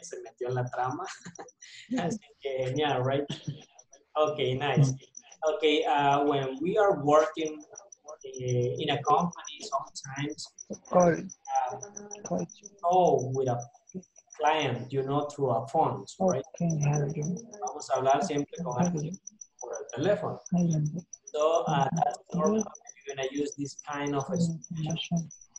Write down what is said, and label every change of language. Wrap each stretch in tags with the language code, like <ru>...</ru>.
<es>Se metió en la trama. Así que genial, right?</es> <en>Okay, nice. Okay, when we are working in a company, sometimes with a client, you know, through a phone, right?</en> <es>Vamos a hablar siempre con alguien por el teléfono.</es> <en>So, that's normal. You're going to use this kind of a situation.</en>